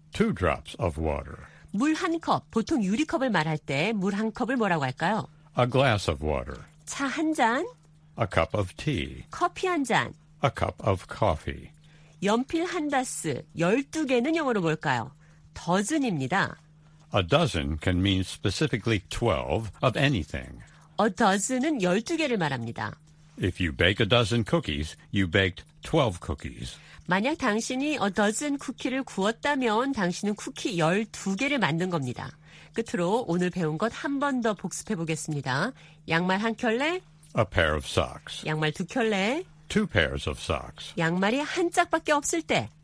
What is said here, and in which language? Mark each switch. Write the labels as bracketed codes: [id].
[en] Two drops of water. [ko] 물 한 컵, 보통 유리컵을 말할 때 물 한 컵을 뭐라고 할까요? [en] A glass of water. [ko] 차 한 잔. [en] A cup of tea. [ko] 커피 한 잔. [en] A cup of coffee. [ko] 연필 한 다스, 열두 개는 영어로 뭘까요? 더즌입니다. [en] A dozen can mean specifically 12 of anything. [ko] A dozen은 열두 개를 말합니다. [en] If you bake a dozen cookies, you baked 12 cookies. [ko] 만약 당신이 a dozen 쿠키를 구웠다면 당신은 쿠키 12개를 만든 겁니다. 끝으로 오늘 배운 것 한 번 더 복습해 보겠습니다. 양말 한 켤레? [en] A pair of socks. [ko] 양말 두 켤레? [en] Two pairs of socks. [ko] 양말이 한 짝밖에 없을 때?